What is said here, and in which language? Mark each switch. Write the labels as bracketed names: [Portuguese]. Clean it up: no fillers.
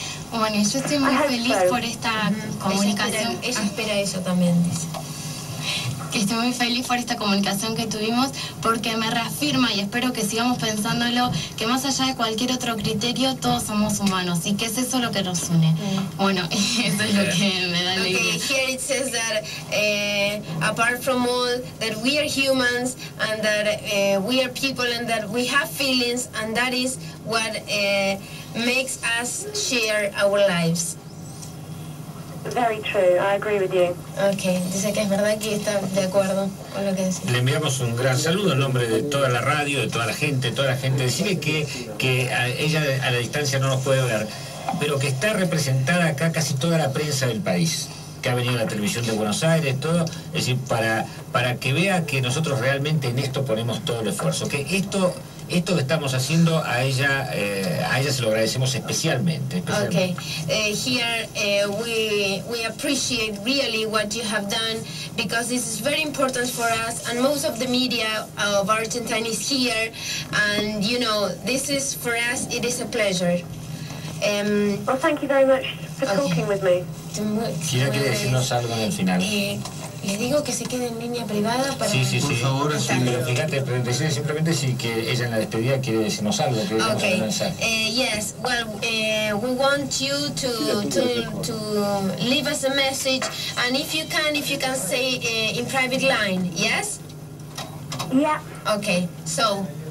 [Spanish] Bueno, yo estoy muy feliz por esta comunicación. Ella espera eso también, dice. Que estoy muy feliz por esta comunicación que tuvimos, porque me reafirma, y espero que sigamos pensándolo, que más allá de cualquier otro criterio, todos somos humanos, y que es eso lo que nos une. Mm. Bueno, eso es lo que me da alegría. [English] Okay, here it says that, apart from all, that we are humans, and that we are people, and that we have feelings, and that is what makes us share our lives. Very true. I agree with you. Okay. [Spanish] Dice que es verdad que está de acuerdo con lo que dice. Le enviamos un gran saludo en nombre de toda la radio, de toda la gente, Decime que ella a la distancia no nos puede ver, pero que está representada acá casi toda la prensa del país, que ha venido a la televisión de Buenos Aires, todo. Es decir, para que vea que nosotros realmente en esto ponemos todo el esfuerzo. Que esto que estamos haciendo, a ella se lo agradecemos especialmente. [English] Okay, here we appreciate really what you have done, because this is very important for us, and most of the media of Argentina is here, and you know, this is for us, it is a pleasure. Well, thank you very much for talking with me. [Spanish] Quería que decirnos algo en el final. Le digo que se quede en línea privada para... Sí, sí, sí. Por favor, sí. Fíjate, pero decide simplemente si que ella en la despedida quiere decirnos algo, que [English] okay. [Spanish] Le vamos a mensaje. [English] Yes, well, we want you to leave us a message, and if you can say in private line, yes? Yeah. Okay, so...